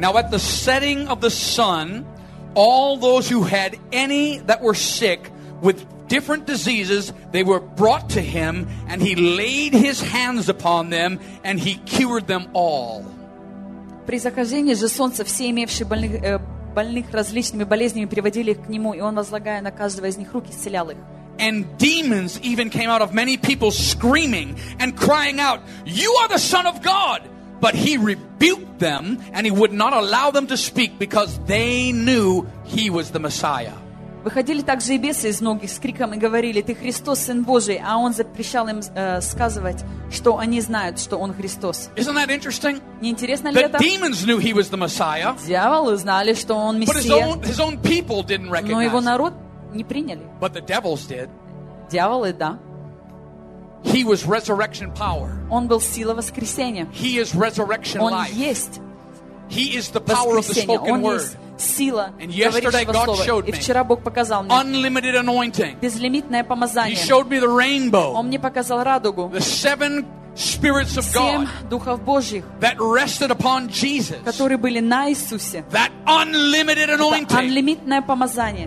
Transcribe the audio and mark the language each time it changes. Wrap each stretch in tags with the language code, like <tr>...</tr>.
<en>Now at the setting of the sun, all those who had any that were sick with different diseases, they were brought to him, and he laid his hands upon them, and he cured them all.</en> <ru>При захождении же солнца все имевшие больных различными болезнями приводили их к нему, и он, возлагая на каждого из них руки, исцелял их.</ru> <en>And demons even came out of many people screaming and crying out, "You are the Son of God!" But he rebuked them, and he would not allow them to speak, because they knew he was the Messiah.</en> <ru>Выходили также и бесы из многих с криком и говорили: "Ты Христос, Сын Божий!" А он запрещал им сказывать, что они знают, что он Христос.</ru> <en>Isn't that interesting?</en> <ru>Не интересно ли это?</ru> <en>The demons knew he was the Messiah.</en> <ru>Дьяволы знали, что он мессия.</ru> <en>But his own people didn't recognize.</en> <ru>Но его народ не приняли.</ru> <en>But the devils did.</en> <ru>Дьяволы да.</ru> <en>He was resurrection power.</en> <ru>Он был сила воскресения.</ru> <en>He is resurrection</en> <ru>он</ru> <en>life.</en> <ru>Есть.</ru> <en>He is the power of the spoken word.</en> <ru>Сила</ru> <en>and yesterday God</en> <ru>слова.</ru> <en>Showed me.</en> <ru>И вчера Бог показал мне.</ru> <en>Unlimited anointing.</en> <ru>Безлимитное помазание.</ru> <en>He showed me the rainbow.</en> <ru>Он мне показал радугу.</ru> <en>The seven spirits of God.</en> <ru>Семь духов Божьих.</ru> <en>That rested upon Jesus.</en> <ru>Которые были на Иисусе.</ru> <en>That unlimited anointing.</en> <ru>Безлимитное помазание.</ru>